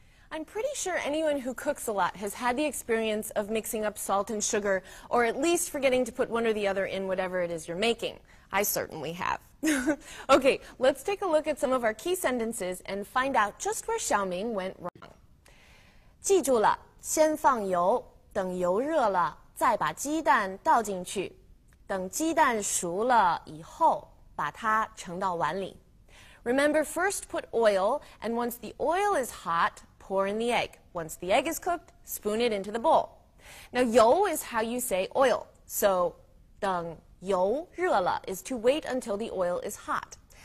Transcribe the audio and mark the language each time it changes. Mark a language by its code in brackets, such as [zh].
[en] I'm pretty sure anyone who cooks a lot has had the experience of mixing up salt and sugar, or at least forgetting to put one or the other in whatever it is you're making. I certainly have. Okay, let's take a look at some of our key sentences and find out just where Xiaoming went wrong. [zh] 记住了，先放油，等油热了，再把鸡蛋倒进去，等鸡蛋熟了以后。把它盛到碗里。 [en] Remember, first put oil, and once the oil is hot, pour in the egg. Once the egg is cooked, spoon it into the bowl. Now, 油 is how you say oil. So, [zh] 等油热了 [en] is to wait until the oil is hot.